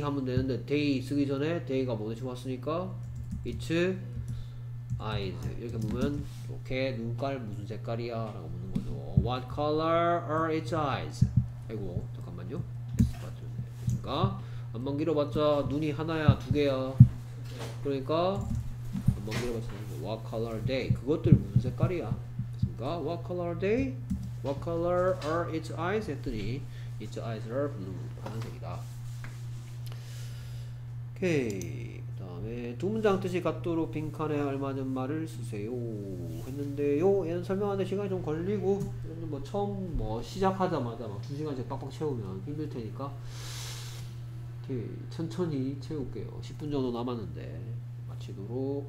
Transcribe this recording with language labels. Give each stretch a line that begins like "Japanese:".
Korean: 하면 되는데 they 쓰기 전에 they가 뭐 대신 왔으니까
English: it's eyes.
Korean: 이렇게 보면 이렇게 눈깔 무슨 색깔이야? 라고 묻는 거죠.
English: What color are its eyes?
Korean: 아이고 잠깐만요. 그러니까 한번 길어봤자 눈이 하나야 두 개야? 그러니까 한번 길어봤자
English: What color are they?
Korean: 그것들 무슨 색깔이야?
English: 그러니까 What color are they? What color are its eyes?
Korean: 했더니
English: its eyes are blue.
Korean: 파란색이다. 오케이. 두 문장 뜻이 같도록 빈칸에 알맞은 말을 쓰세요 했는데요. 얘는 설명하는데 시간이 좀 걸리고 뭐 처음 뭐 시작하자마자 막 2시간씩 빡빡 채우면 힘들 테니까 이렇게 천천히 채울게요. 10분 정도 남았는데 마치도록.